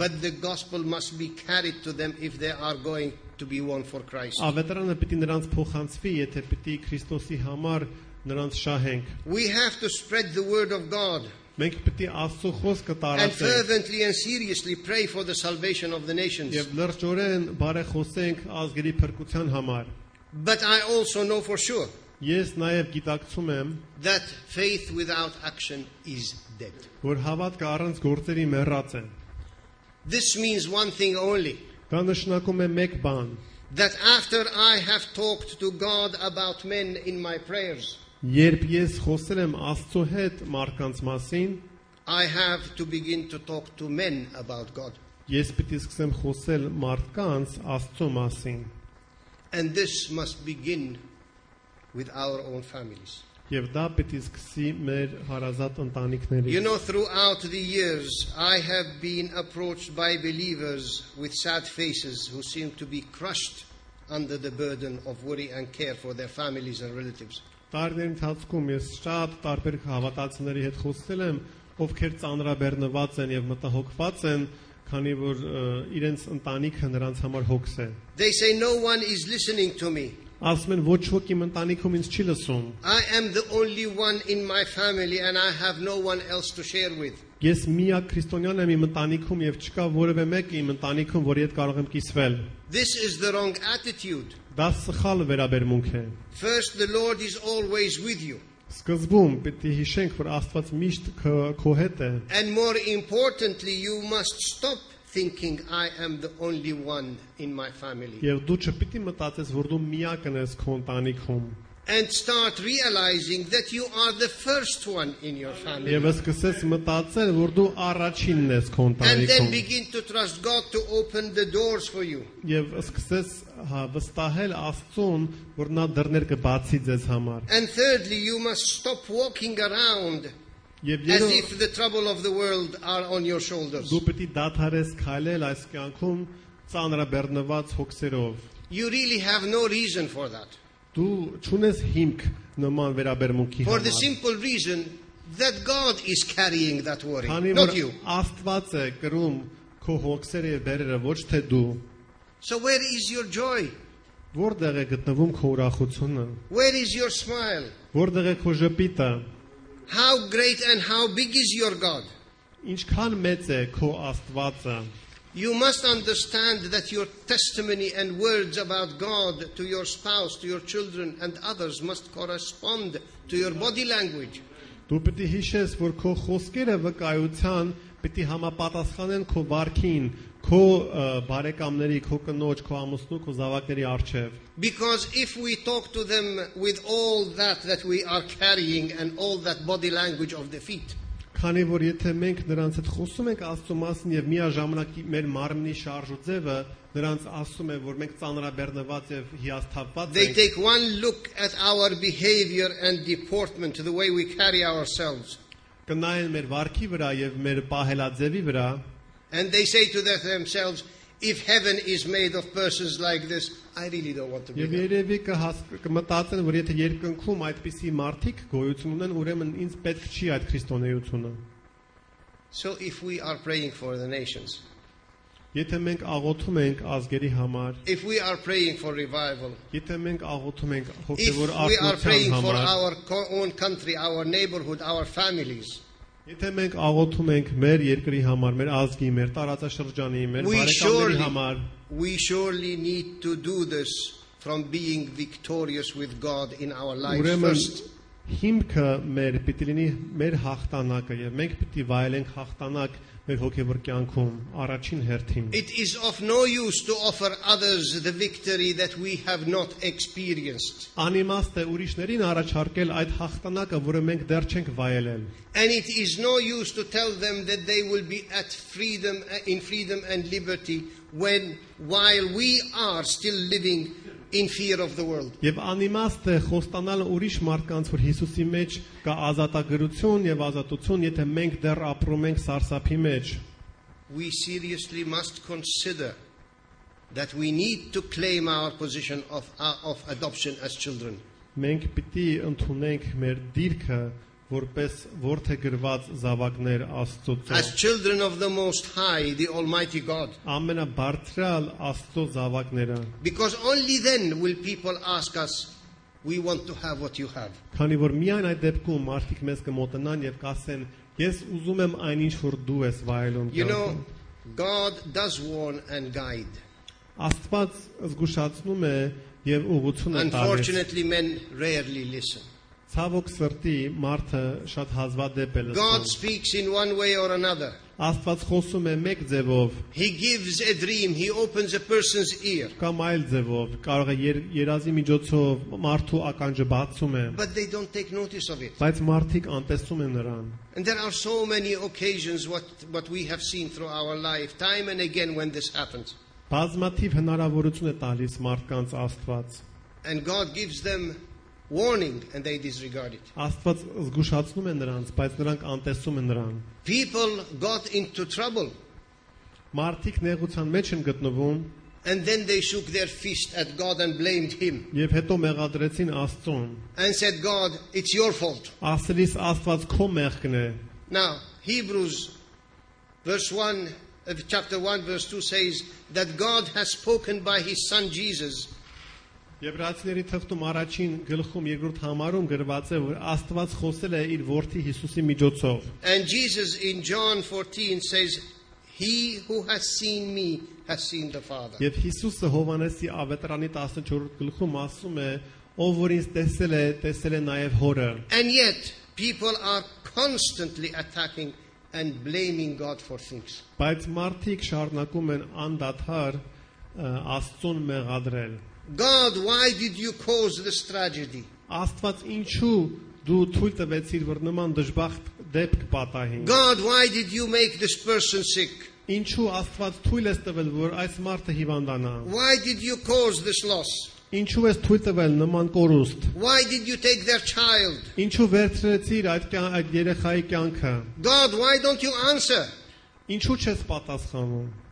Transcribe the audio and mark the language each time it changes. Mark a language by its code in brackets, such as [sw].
[en] But the gospel must be carried to them if they are going to be one for Christ. [hy] Ավետարանը պետք է նրանց փոխանցվի, եթե պետք է Քրիստոսի համար նրանց շահենք. [en] We have to spread the word of God. [hy] Մենք պետք է Աստծո խոսքը տարածենք. [en] And fervently and seriously pray for the salvation of the nations. [hy] Եվ լրջորեն բարեխոսենք ազգերի փրկության համար. [en] But I also know for sure. [hy] Ես նաև գիտակցում եմ. [en] That faith without action is dead. [hy] Որ հավատքը առանց գործերի մեռած է. [en] This means one thing only. [hy] Դա նշանակում է մեկ բան. [en] That after I have talked to God about men in my prayers, [hy] երբ ես խոսել եմ Աստծո հետ մարդկանց մասին, [en] I have to begin to talk to men about God. [hy] Ես պիտի սկսեմ խոսել մարդկանց Աստծո մասին. [en] And this must begin with our own families. [hy] Եվ դա պիտի սկսի մեր հարազատ ընտանիքներից. [en] You know, throughout the years, I have been approached by believers with sad faces who seem to be crushed under the burden of worry and care for their families and relatives. [hy] Տարիներ ընթացքում ես շատ տարբեր հավատացիների հետ խոսել եմ, ովքեր ծանրաբեռնված են եւ մտահոգված են, քանի որ իրենց ընտանիքը նրանց համար հոգս է. [en] They say no one is listening to me. [hy] Ասում են ոչ ոք իմ ընտանիքում ինձ չի լսում. [en] I am the only one in my family and I have no one else to share with. [hy] Ես միակ քրիստոնյան եմ իմ ընտանիքում եւ չկա որևէ մեկը իմ ընտանիքում, որի հետ կարող եմ կիսվել. [en] This is the wrong attitude. [hy] Դա սխալ վերաբերմունք է. [en] First, the Lord is always with you. [hy] Սկզբում պետք է հիշենք, որ Աստված միշտ քո հետ է. [en] And more importantly, you must stop thinking I am the only one in my family. [hy] Եվ դու չպիտի մտածես, որ դու միակն ես քո ընտանիքում. [en] And start realizing that you are the first one in your family. [hy] Եվ սկսես մտածել, որ դու առաջինն ես քո ընտանիքում. [en] And then begin to trust God to open the doors for you. [hy] Եվ սկսես վստահել Աստծուն, որ նա դռներ կբացի ձեզ համար. [en] And thirdly, you must stop walking around as if the trouble of the world are on your shoulders. [hy] Դու պետք է դադարես քայլել այս կյանքում ծանրաբեռնված հոգսերով. [en] You really have no reason for that. [hy] Դու չունես հիմք նման վերաբերմունքի համար. [en] For the simple reason that God is carrying that worry, not you. [hy] Աստված է կրում քո հոգսերը եւ բերերը, ոչ թե դու. [en] So where is your joy? [hy] Որտեղ է գտնվում քո ուրախությունը? [en] Where is your smile? [hy] Որտեղ է քո ժպիտը? [en] How great and how big is your God? [hy] Ինչքան մեծ է քո Աստվածը? [en] You must understand that your testimony and words about God to your spouse, to your children and others must correspond to your body language. [hy] Դու պետք է հիշես, որ քո խոսքերը վկայության պետք է համապատասխանեն քո բարքին, քո բարեկամների, քո կնոջ, քո ամուսնու, քո զավակների առջև։ [en] Because if we talk to them with all that we are carrying and all that body language of defeat. [hy] Քանի որ եթե մենք նրանց հետ խոսում ենք Աստծո մասին եւ միաժամանակ մեր մարմնի շարժ ու ձևը նրանց ասում է, որ մենք ծանրաբեռնված եւ հիասթափված ենք։ [en] They take one look at our behavior and deportment, the way we carry ourselves. [hy] կնայեն մեր վարքի վրա եւ մեր պահելաձևի վրա, [en] and they say to themselves, if heaven is made of persons like this, I really don't want to be there. [hy] Եվ երևի կմտածեն, որ եթե երկնքում այդպիսի մարդիկ գոյություն ունեն, ուրեմն ինձ պետք չի այդ քրիստոնեությունը. [en] So if we are praying for the nations, [hy] եթե մենք աղոթում ենք ազգերի համար, [en] if we are praying for revival, [hy] եթե մենք աղոթում ենք հոգևոր արթության համար, [en] if we are praying for our own country, our neighborhood, our families, [hy] եթե մենք աղոթում ենք մեր երկրի համար, մեր ազգի, մեր տարածաշրջանի, մեր բարեկամների համար, [en] we surely need to do this from being victorious with God in our lives first. [hy] Հիմքը մեր պիտի լինի մեր հաղթանակը եւ մենք պիտի վայելենք հաղթանակ մեր հոգեվոր կյանքում առաջին հերթին. [en] It is of no use to offer others the victory that we have not experienced. [hy] Անիմաստ է ուրիշներին առաջարկել այդ հաղթանակը, որը մենք դեռ չենք վայելել. [en] And it is no use to tell them that they will be at freedom, in freedom and liberty, when while we are still living in fear of the world. [hy] Եվ անիմաստ է խոստանալ ուրիշ մարդկանց, որ Հիսուսի մեջ կա ազատագրություն եւ ազատություն, եթե մենք դեռ ապրում ենք սարսափի մեջ. [en] We seriously must consider that we need to claim our position of adoption as children. [hy] Մենք պիտի ընդունենք մեր դիրքը որպես որդեգրված զավակներ Աստծո, [en] as children of the most high, the almighty God, [hy] ամենաբարձրալ Աստծո զավակները, [en] because only then will people ask us, we want to have what you have. [hy] Քանի որ միայն այդ դեպքում մարդիկ մեզ կմոտենան եւ կասեն, ես ուզում եմ այն ինչ որ դու ես վայելում։ [en] You know, God does warn and guide. [hy] Աստված զգուշացնում է եւ ուղղություն է տալիս։ [en] Unfortunately, men rarely listen. [hy] Ցավոք սրտի մարդը շատ հազվադեպ է լսում։ [en] God speaks in one way or another. [hy] Աստված խոսում է մեկ ձևով։ [en] He gives a dream, he opens a person's ear. [hy] Կամ այլ ձևով, կարող է երազի միջոցով մարդու ականջը բացում է։ [en] But they don't take notice of it. [hy] Բայց մարդիկ անտեսում են նրան։ [en] And there are so many occasions what we have seen through our life, time and again, when this happens. [hy] Բազմաթիվ հնարավորություն է տալիս մարդկանց Աստված։ [en] And God gives them warning and they disregard it. [hy] Աստված զգուշացնում է նրանց, բայց նրանք անտեսում են նրան. [en] People got into trouble. [hy] Մարդիկ նեղության մեջ են գտնվում. [en] And then they shook their fist at God and blamed him. [hy] Եվ հետո մեղադրեցին Աստծուն. [en] And said, God, it's your fault. [hy] Աստծիս Աստված քո մեղքն է. [en] Now, Hebrews verse 1 of chapter 1 verse 2 says that God has spoken by his son Jesus. [hy] Եբրացիների թղթում առաջին գլխում 2-րդ համարում գրված է, որ Աստված խոսել է իր որդի Հիսուսի միջոցով։ [en] And Jesus in John 14 says, he who has seen me has seen the Father. [hy] Եվ Հիսուսը Հովանեսի ավետարանի 14-րդ գլխում ասում է, ով որ ինձ տեսել է նաև Հորը։ [en] And yet people are constantly attacking and blaming God for things. [hy] Բայց մարդիկ շարնակում են անդադար Աստծուն մեղադրել։ [en] God, why did you cause this tragedy? [hy] Աստված ինչու դու թույլ տվեցիր, որ նման դժբախտ դեպք պատահին? [en] God, why did you make this person sick? [hy] Ինչու Աստված թույլ ես տվել, որ այս մարդը հիվանդանա? [en] Why did you cause this loss? [hy] Ինչու ես թույլ տվել նման կորուստ? [en] Why did you take their child? [hy] Ինչու վերցրեցիր այդ երեխայի կյանքը? [en] God, why don't you answer? [hy] Ինչու չես պատասխանում?